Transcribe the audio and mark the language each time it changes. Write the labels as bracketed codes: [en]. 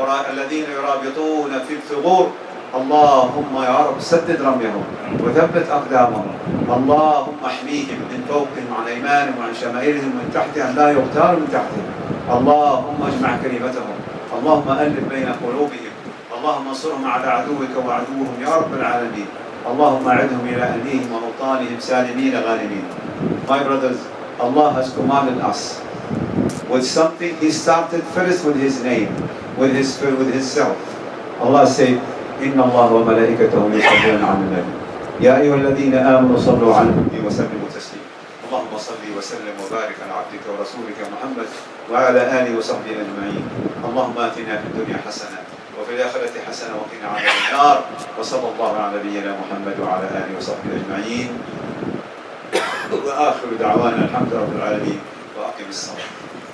[ar] الذين يرابطون في الثغور، اللهم يا رب سدد رميهم وثبت اقدامهم، اللهم احميهم من فوقهم وعن ايمانهم وعن شمائلهم ومن تحتهم لا يغتال من تحتهم، اللهم اجمع كلمتهم، اللهم الف بين قلوبهم، اللهم انصرهم على عدوك وعدوهم يا رب العالمين، اللهم اعدهم الى اهليهم واوطانهم سالمين غانمين. [en] My brothers, Allah has commanded us with something He started first with His name. With his spirit, with his self. Allah said, [ar] إِنَّ اللَّهُ وَمَلَائِكَتَهُ يُصَلُّونَ عَلَى النَّبِيِّ يَا أَيُّهَا الَّذِينَ آمَنُوا صَلُّوا عَلَيْهِ وَسَلِّمُوا تَسْلِيمًا. اللهم صل وسلم وبارك على عبدك ورسولك محمد وعلى آله وصحبه أجمعين. اللهم آتنا في الدنيا حسنة وفي الآخرة حسنة وقنا عذاب النار، وصلى الله على نبينا محمد وعلى آله وصحبه أجمعين. وآخر دعوانا الحمد رب العالمين، وأقم الصلاة.